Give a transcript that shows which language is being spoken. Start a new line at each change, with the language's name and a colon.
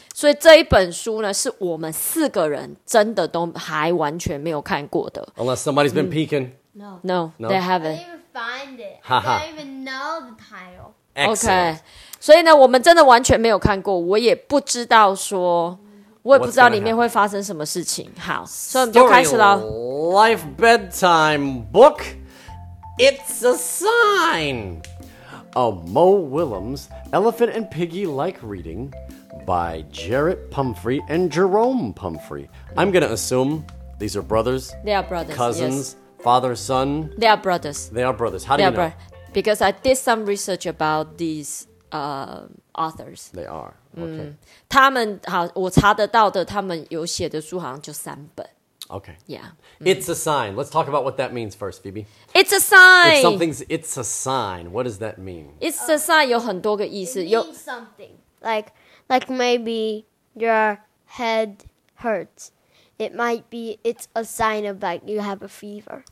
Chinese: 所以这一本书呢，是我们四个人真的都还完全没有看过的。
English: Unless somebody's been peeking. No. No, they haven't. I didn't even find it. I don't even know the title. Excellent. Okay.
Chinese: 所以呢，我们真的完全没有看过，我也不知道说，我也不知道里面会发生什么事情。好，所以我们就开始了。
English: Life Bedtime Book, It's a Sign of Mo Willems, Elephant and Piggy Like Reading. By Jarrett Pumphrey and Jerome Pumphrey. I'm going to assume these are brothers. They are brothers. Cousins,、 yes. father, son. They are brothers. They are brothers. How、they、do you know? Because I did some research about these、authors. They are. Okay.、Mm.
Chinese: 他们好我查得到的他们有写的书好像就三本。
English: Okay. Yeah.、 Mm. It's a sign. Let's talk about what that means first, Phoebe. It's a sign. If something's it's a sign, what does that mean? It's a sign
Chinese: 有很多个意思。
English: It means something. Like maybe your head hurts. It might be, it's a sign of like you have a fever.